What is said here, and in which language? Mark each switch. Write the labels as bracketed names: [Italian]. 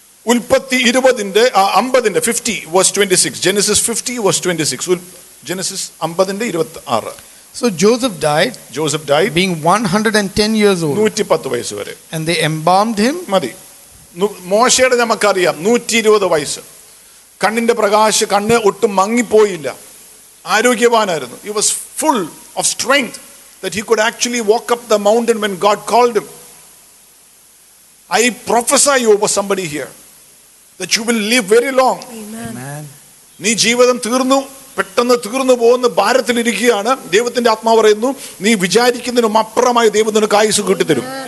[Malayalam] ഉൽപ്പത്തി 50:26. [English] So Joseph died being 110 years old. [Malayalam] 110 വയസ്സ് വരെ. [English] And they embalmed him. [Malayalam] മതി, മോശയുടെ നമുക്കറിയാം 120 വയസ്സ്, കണ്ണിന്റെ പ്രകാശം, കണ്ണ് ഒട്ടും മങ്ങിപ്പോയില്ല, ആരോഗ്യവാനായിരുന്നു. [English] He was full of strength that he could actually walk up the mountain when God called him. I prophesy over somebody here that you will live very long. Amen. [Malayalam] നീ ജീവിതം തീർന്നു, പെട്ടെന്ന് തീർന്നു പോകുന്ന ഭാരത്തിൽ ഇരിക്കുകയാണ്. ദൈവത്തിന്റെ ആത്മാവ് പറയുന്നു, നീ വിചാരിക്കുന്നതിനും അപ്പുറമായി ദൈവം നിനക്ക് ആയുസ് കിട്ടിത്തരും.